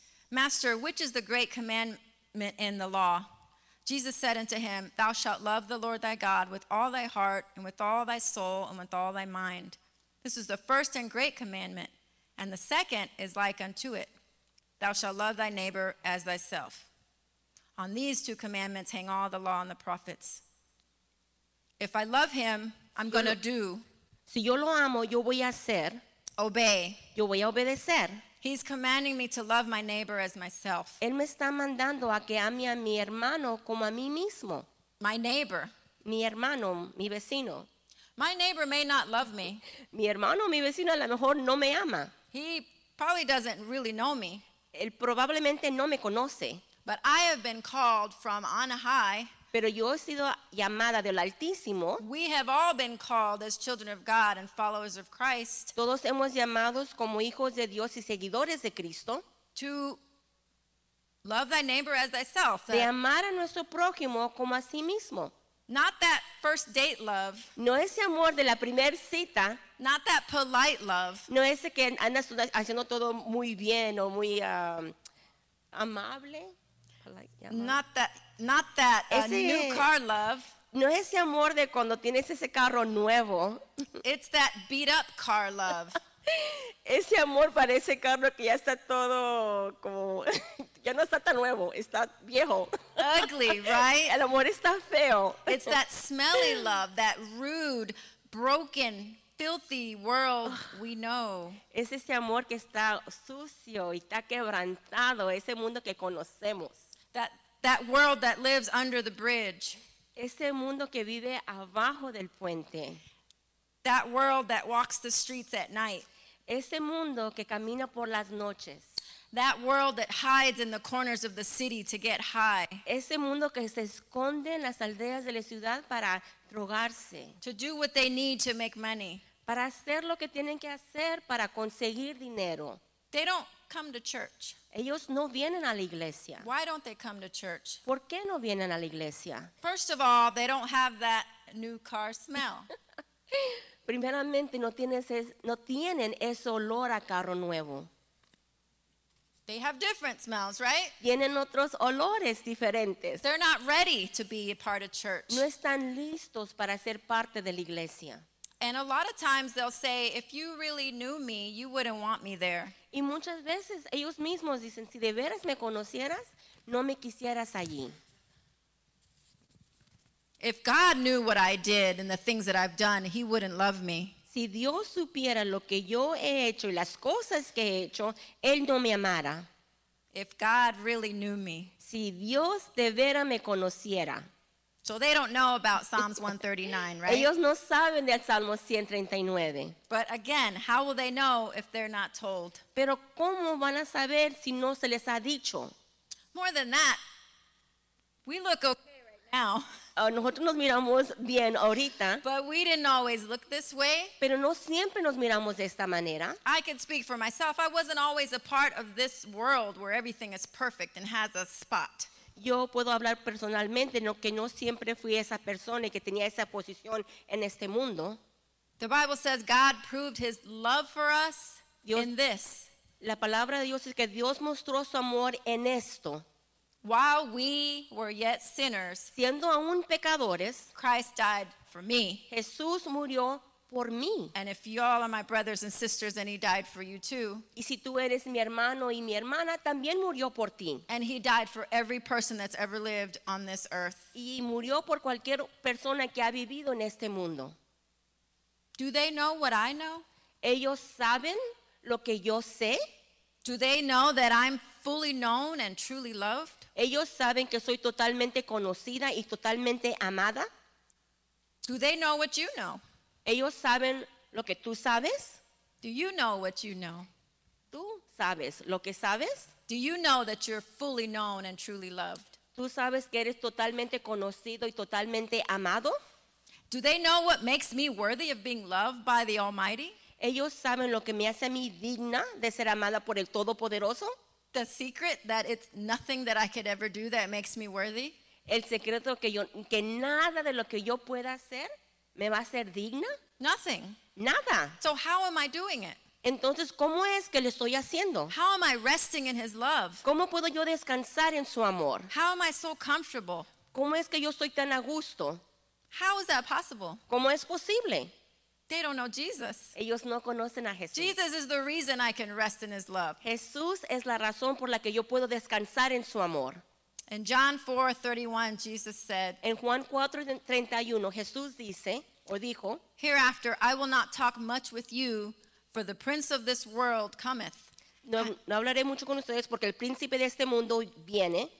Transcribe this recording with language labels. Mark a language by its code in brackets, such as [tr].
[en] Master, which is the great commandment in the law? Jesus said unto him, Thou shalt love the Lord thy God with all thy heart and with all thy soul and with all thy mind. This is the first and great commandment, and the second is like unto it. Thou shalt love thy neighbor as thyself. On these two commandments hang all the law and the prophets. If I love him, I'm going to do. [es] Si yo lo amo, yo voy a hacer. [en] Obey. [es] Yo voy a obedecer. [en] He's commanding me to love my neighbor as myself. [es] Él me está mandando a que ame a mi hermano como a mí mismo. [en] My neighbor. [es] Mi hermano, mi vecino. [en] My neighbor may not love me. [es] Mi hermano, mi vecino, a lo mejor no me ama. [en] He probably doesn't really know me. [es] Él probablemente no me conoce. [en] But I have been called from on high. [es] Pero yo he sido llamada del Altísimo. [en] We have all been called as children of God and followers of Christ. [es] Todos hemos llamados como hijos de Dios y seguidores de Cristo. [en] To love thy neighbor as thyself. [es] De amar a nuestro prójimo como a sí mismo. [en] Not that first date love. [es] No ese amor de la primer cita. [en] Not that polite love. [es] No ese que andas haciendo todo muy bien o muy amable. [en] Not that new car love. [es] No es ese amor de cuando tienes ese carro nuevo. [en] It's that beat up car love. [es] Ese amor para ese carro que ya está todo como ya no está tan nuevo, está viejo. [en] Ugly, right? [es] El amor está feo. [en] It's that smelly love, that rude, broken, filthy world we know. [es] Es ese amor que está sucio y está quebrantado, ese mundo que conocemos. [en] That world that lives under the bridge. [es] Ese mundo que vive abajo del puente. [en] That world that walks the streets at night. [es] Ese mundo que camina por las noches. [en] That world that hides in the corners of the city to get high. [es] Ese mundo que se esconde en las aldeas de la ciudad para drogarse. [en] To do what they need to make money. [es] Para hacer lo que tienen que hacer para conseguir dinero. [en] They don't come to church. [es] Ellos no vienen a la iglesia. [en] Why don't they come to church? [es] ¿Por qué no vienen a la iglesia? [en] First of all, they don't have that new car smell. [es] Primeramente, no tienen ese olor a carro nuevo. [en] They have different smells, right? [es] Tienen otros olores diferentes. [en] They're not ready to be a part of church. [es] No están listos para ser parte de la iglesia. [en] And a lot of times they'll say, if you really knew me, you wouldn't want me there. [es] Y muchas veces ellos mismos dicen, si de veras me conocieras, no me quisieras allí. [en] If God knew what I did and the things that I've done, he wouldn't love me. [es] Si Dios supiera lo que yo he hecho y las cosas que he hecho, él no me amara. [en] If God really knew me. [es] Si Dios de veras me conociera. [en] So they don't know about Psalms 139, right? [es] Ellos no saben del Salmo 139. [en] But again, how will they know if they're not told? [es] Pero ¿cómo van a saber si no se les ha dicho? [en] More than that, we look okay right now. [es] Nosotros nos miramos bien ahorita. [en] But we didn't always look this way. [es] Pero no siempre nos miramos de esta manera. [en] I can speak for myself. I wasn't always a part of this world where everything is perfect and has a spot. [es] Yo puedo hablar personalmente, no, que no siempre fui esa persona y que tenía esa posición en este mundo. [en] The Bible says God proved his love for us in this. [es] La palabra de Dios es que Dios mostró su amor en esto. [en] While we were yet sinners, [es] siendo aún pecadores, [en] Christ died for me. [es] Jesús murió por mí. [en] And if you all are my brothers and sisters, then he died for you too. [es] Y si tú eres mi hermano y mi hermana, también murió por ti. [en] And he died for every person that's ever lived on this earth. [es] Y murió por cualquier persona que ha vivido en este mundo. [en] Do they know what I know? [es] ¿Ellos saben lo que yo sé? [en] Do they know that I'm fully known and truly loved? [es] ¿Ellos saben que soy totalmente conocida y totalmente amada? [en] Do they know what you know? [es] ¿Ellos saben lo que tú sabes? [en] Do you know what you know? [es] ¿Tú sabes lo que sabes? [en] Do you know that you're fully known and truly loved? [es] ¿Tú sabes que eres totalmente conocido y totalmente amado? [en] Do they know what makes me worthy of being loved by the Almighty? [es] ¿Ellos saben lo que me hace a mí digna de ser amada por el Todopoderoso? [en] The secret that it's nothing that I could ever do that makes me worthy? [es] ¿El secreto que nada de lo que yo pueda hacer me va a ser digna? [en] Nothing. [es] Nada. [en] So how am I doing it? [es] Entonces, ¿cómo es que lo estoy haciendo? [en] How am I resting in his love? [es] ¿Cómo puedo yo descansar en su amor? [en] How am I so comfortable? [es] ¿Cómo es que yo estoy tan a gusto? [en] How is that possible? [es] ¿Cómo es posible? [en] They don't know Jesus. [es] Ellos no conocen a Jesús. [en] Jesus is the reason I can rest in his love. [es] Jesús es la razón por la que yo puedo descansar en su amor. [en] In John 4:31, Jesus said, [es] en Juan 4:31, Jesús dice, o dijo, [en] hereafter I will not talk much with you, for the prince of this world cometh. [es] No hablaré mucho con ustedes porque el príncipe de este mundo viene.